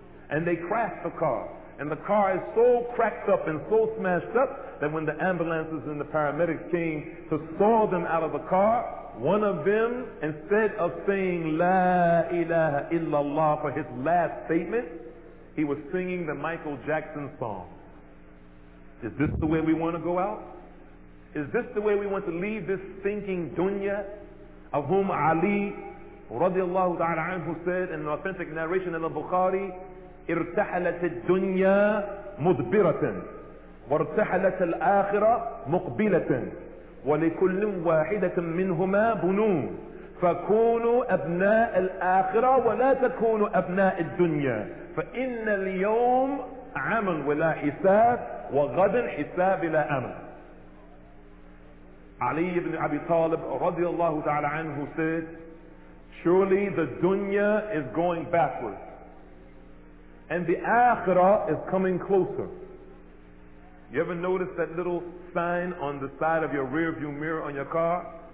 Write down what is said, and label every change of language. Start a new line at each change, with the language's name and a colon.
English: And they crash the car. And the car is so cracked up and so smashed up that when the ambulances and the paramedics came to saw them out of the car, one of them, instead of saying La ilaha illallah for his last statement, he was singing the Michael Jackson song. Is this the way we want to go out? Is this the way we want to leave this stinking dunya, of whom Ali radiallahu ta'ala anhu said in an authentic narration in al-Bukhari,
Arabic: ارتحلت الدنيا مدبرة وارتحلت الآخرة مقبلة ولكل واحدة منهما بنون فكونوا أبناء الآخرة ولا تكونوا أبناء الدنيا فإن اليوم عمل ولا حساب وغدا حساب لا أمل.
English: Ali ibn Abi Talib radiallahu ta'ala anhu said, surely the dunya is going backwards and the akhirah is coming closer. You ever notice that little sign on the side of your rear view mirror on your car?